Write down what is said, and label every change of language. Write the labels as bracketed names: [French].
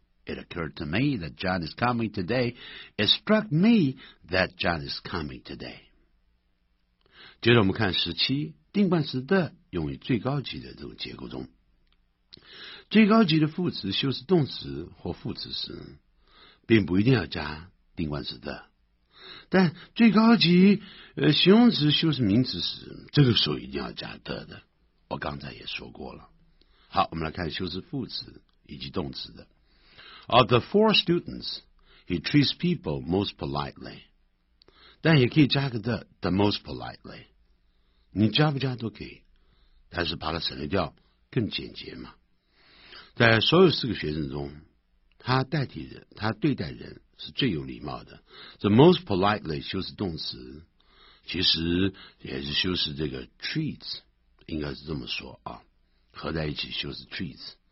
[English] It occurred to me that John is coming today. It struck me that John is coming today. [Chinese] 接着我们看17 定冠词的用于最高级的这种结构中。最高级的副词修饰动词或副词时，并不一定要加定冠词的，但最高级形容词修饰名词时，这个时候一定要加的。我刚才也说过了。好，我们来看修饰副词以及动词的。 [English] Of the four students, he treats people most politely. [Chinese] 但也可以加个 [English] the most politely. [Chinese] 你加不加都可以，但是把它省略掉更简洁嘛。在所有四个学生中，他代替人，他对待人是最有礼貌的。 [English] The most politely [Chinese] 修饰动词，其实也是修饰这个 treats， 应该是这么说啊，合在一起修饰 treats。